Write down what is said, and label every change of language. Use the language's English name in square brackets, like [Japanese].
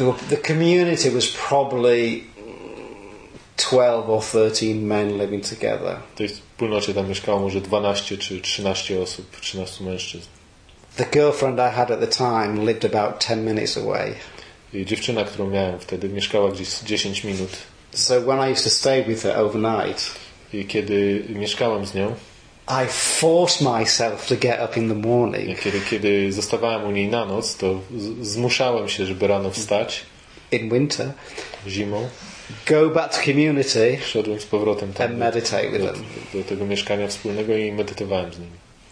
[English] The community was probably 12 or 13 men living together. [Polish] W tej wspólnocie tam mieszkało może 12 czy 13 osób, 13 mężczyzn. [English] The girlfriend I had at the time lived about 10 minutes away. [Polish] I dziewczyna, którą miałem wtedy, mieszkała gdzieś 10 minut. [English] So when I used to stay with her overnight, [Polish] i kiedy mieszkałem z nią, [English] I forced myself to get up in the morning. [Polish] Kiedy zostawałem u niej na noc, to zmuszałem się, żeby rano wstać. [English] In winter, [Polish] zimą, [English] go back to community, [Polish] szedłem z powrotem tam [English] and meditate with them. [Polish] Do tego mieszkania wspólnego i medytowałem z nimi.